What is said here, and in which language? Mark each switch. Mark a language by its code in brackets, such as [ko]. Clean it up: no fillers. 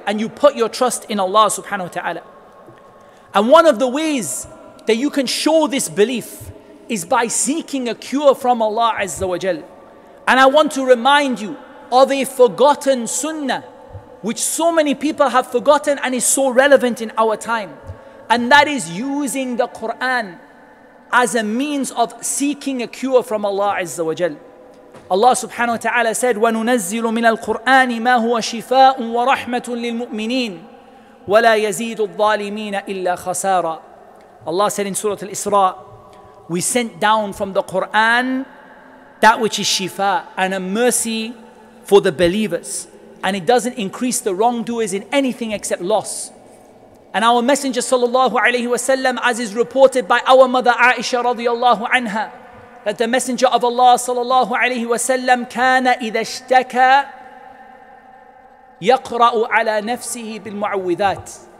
[en] And you put your trust in Allah subhanahu wa ta'ala. And one of the ways that you can show this belief is by seeking a cure from Allah Azza wa Jal. And I want to remind you of a forgotten sunnah, which so many people have forgotten and is so relevant in our time. And that is using the Quran as a means of seeking a cure from Allah Azza wa Jal. Allah subhanahu wa ta'ala said, [ar] وَنُنَزِّلُ مِنَ الْقُرْآنِ مَا هُوَ شِفَاءٌ وَرَحْمَةٌ لِلْمُؤْمِنِينَ وَلَا يَزِيدُ الظَّالِمِينَ إِلَّا خَسَارًا. [en] Allah said in Surah Al-Isra, we sent down from the Quran that which is shifa and a mercy for the believers. And it doesn't increase the wrongdoers in anything except loss. And our Messenger sallallahu alayhi wa sallam, as is reported by our mother Aisha radiallahu anha, that the Messenger of Allah sallallahu alayhi wa sallam, [ar] kana idha ishtaka yaqra'u ala nafsihi bil mu'awwidhat.